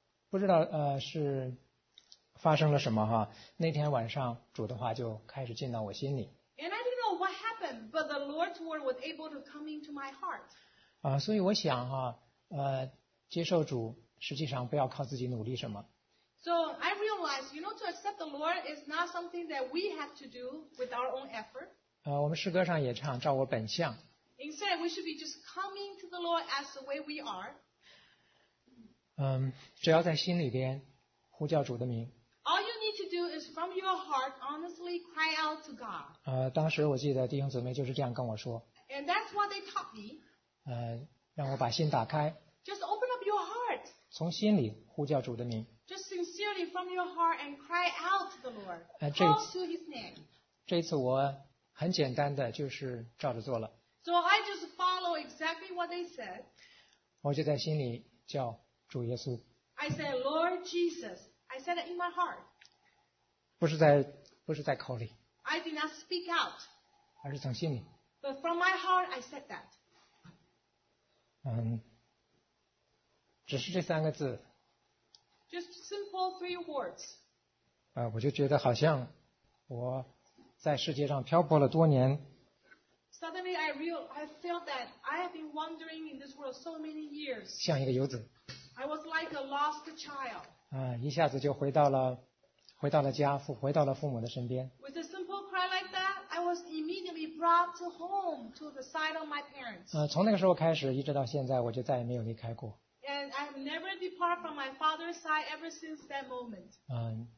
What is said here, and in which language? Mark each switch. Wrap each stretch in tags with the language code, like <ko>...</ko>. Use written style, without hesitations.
<zh>不知道是发生了什么那天晚上主的话就开始进到我心里。</zh> <en>And I didn't know what happened, but the Lord's word was able to come into my heart.</en> <zh>所以我想接受主实际上不要靠自己努力什么。</zh> <en>So I realized, you know, to accept the Lord is not something that we have to do with our own effort.</en> <zh>我们诗歌上也唱照我本相。</zh> <en>Instead, we should be just coming to the Lord as the way we are.</en> <zh>只要在心里边呼叫主的名。</zh> <en>All you need to do is from your heart honestly cry out to God.</en> <zh>当时我记得弟兄姊妹就是这样跟我说。</zh> <en>And that's what they taught me.</en> <zh>让我把心打开。</zh> <en>Just open up your heart.</en> <zh>从心里呼叫主的名。</zh> <en>Just sincerely from your heart and cry out to the Lord. Call to His name.</en> <zh>这次我很简单的就是照着做了。</zh> <en>So I just follow exactly what they said.</en> <zh>我就在心里叫主耶稣。</zh> <en>I said, Lord Jesus. I said it in my heart.</en> <zh>不是在口里。</zh> <en>I did not speak out.</en> <zh>而是从心里。</zh> <en>But from my heart, I said that.</en> <zh>只是这三个字。</zh> <en>Just simple three words.</en> <zh>我就觉得好像我在世界上漂泊了多年。</zh> <en>Suddenly, I felt that I have been wandering in this world so many years.</en> <zh>像一个游子。</zh> <en>I was like a lost child.</en> <zh>一下子就回到了家，回到了父母的身边。</zh> <en>With a simple cry like that, I was immediately brought to home to the side of my parents.</en> <zh>从那个时候开始，一直到现在，我就再也没有离开过。</zh> <en>And I have never departed from my father's side ever since that moment.</en>